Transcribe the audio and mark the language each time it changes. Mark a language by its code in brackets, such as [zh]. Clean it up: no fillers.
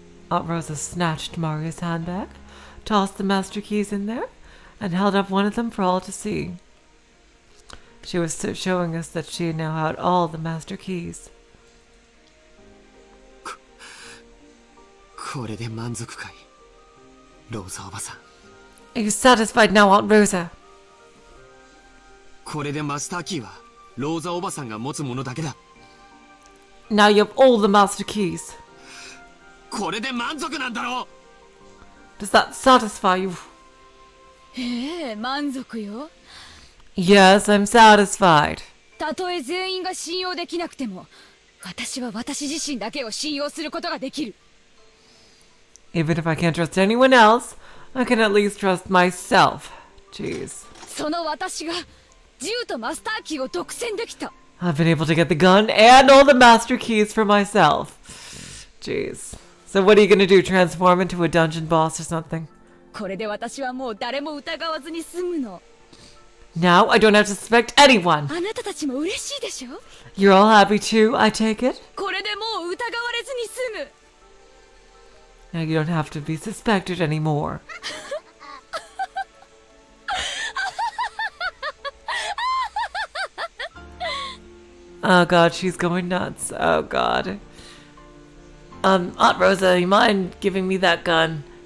[en] Aunt Rosa snatched Maria's handbag, tossed the master keys in there, and held up one of them for all to see. She was showing us that she now had all the master keys. [ja] これで満足かい、ローザおばさん。 [en] Are you satisfied now, Aunt Rosa? [ja] これでマスターキーはローザおばさんが持つものだけだ。 [en] Now you have all the master keys. [ja] これで満足なんだろう。 [en] Does that satisfy you? [ja] ええ、満足よ。 [en] Yes, I'm satisfied. [ja] たとえ全員が信用できなくても、私は私自身だけを信用することができる。 [en] Even if I can't trust anyone else,I can at least trust myself. Jeez. [ja] その私が銃とマスターキーを独占できた。 [en] I've been able to get the gun and all the master keys for myself. Jeez. So what are you gonna do? Transform into a dungeon boss or something? [ja] これで私はもう誰も疑わずに済むの。 [en] Now I don't have to suspect anyone. [ja] あなたたちも嬉しいでしょ? [en] You're all happy too, I take it? [ja] これでもう疑われずに済む。 [en] Now you don't have to be suspected anymore. Oh god, she's going nuts. Oh god. Aunt Rosa, you mind giving me that gun?